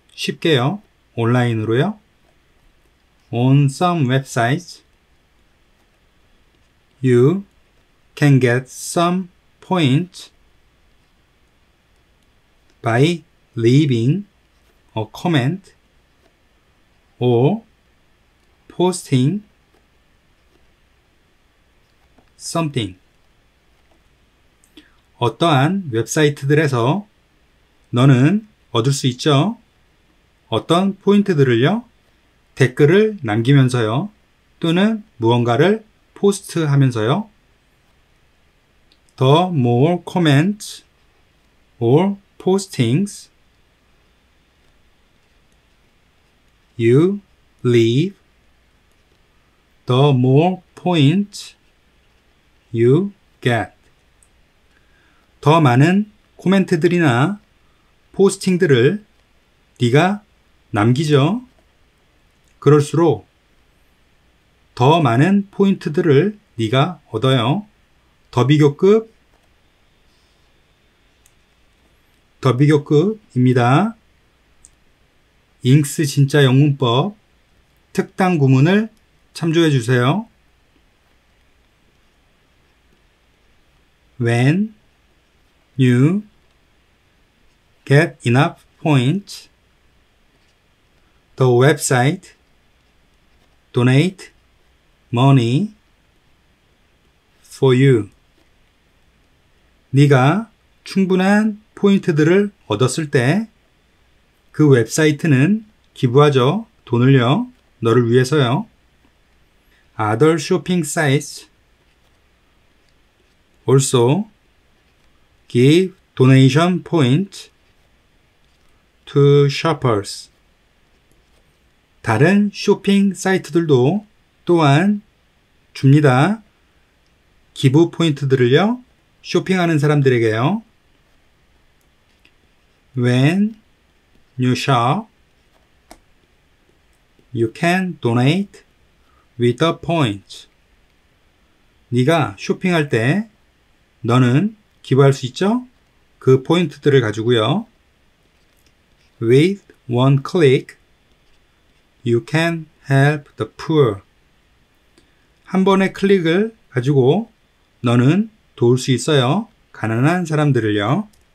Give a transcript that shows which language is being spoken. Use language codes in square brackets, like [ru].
[ko] 쉽게요. 온라인으로요. [en] On some websites, you can get some points by leaving a comment or posting something. [ko] 어떠한 웹사이트들에서 너는 얻을 수 있죠? 어떤 포인트들을요? 댓글을 남기면서요. 또는 무언가를 포스트하면서요. [en] The more comments or postings you leave, the more points you get. [ko] 더 많은 코멘트들이나 포스팅들을 네가 남기죠. 그럴수록 더 많은 포인트들을 네가 얻어요. 더비교급입니다. 잉스 진짜 영문법 특단 구문을 참조해 주세요. [en] When you get enough points, the website donate money for you. [ko] 네가 충분한 포인트들을 얻었을 때 그 웹사이트는 기부하죠. 돈을요. 너를 위해서요. [en] Other shopping sites also give donation points to shoppers. [ko] 다른 쇼핑 사이트들도 또한 줍니다. 기부 포인트들을요. 쇼핑하는 사람들에게요. [en] When you shop, you can donate with the points. [ko] 네가 쇼핑할 때 너는 기부할 수 있죠? 그 포인트들을 가지고요. [en] With one click, you can help the poor. [ko] 한 번의 클릭을 가지고 너는 도울 수 있어요. 가난한 사람들을요.